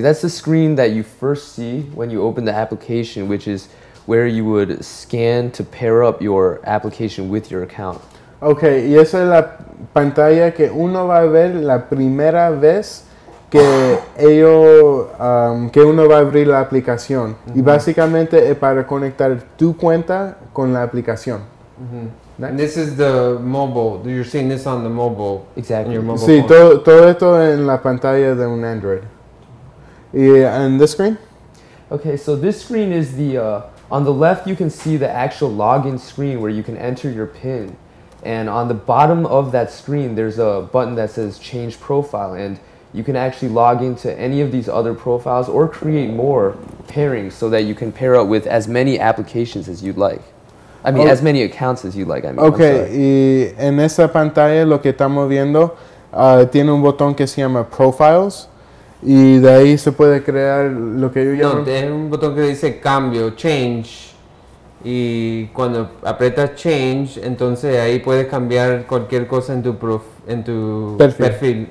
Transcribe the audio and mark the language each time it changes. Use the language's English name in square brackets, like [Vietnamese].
[English] That's the screen that you first see when you open the application, which is where you would scan to pair up your application with your account. [Spanish] Okay, y esa es la pantalla que uno va a ver la primera vez que que uno va a abrir la aplicación. Uh-huh. Y básicamente es para conectar tu cuenta con la aplicación. [English] Uh-huh. And this is the mobile. You're seeing this on the mobile. Exactly. On your mobile [Spanish] sí, todo esto en la pantalla de un Android. [English] Y and this screen? Okay, so this screen is the... on the left you can see the actual login screen where you can enter your PIN. And on the bottom of that screen there's a button that says change profile. And you can actually log into any of these other profiles or create more pairings so that you can pair up with as many applications as you'd like. I mean, as many accounts as you'd like. I mean, [Spanish] okay, y en esa pantalla lo que estamos viendo tiene un botón que se llama Profiles y de ahí se puede crear lo que yo llamo... No, tiene un botón que dice Cambio, Change. Y cuando aprietas Change, entonces ahí puedes cambiar cualquier cosa en tu perfil.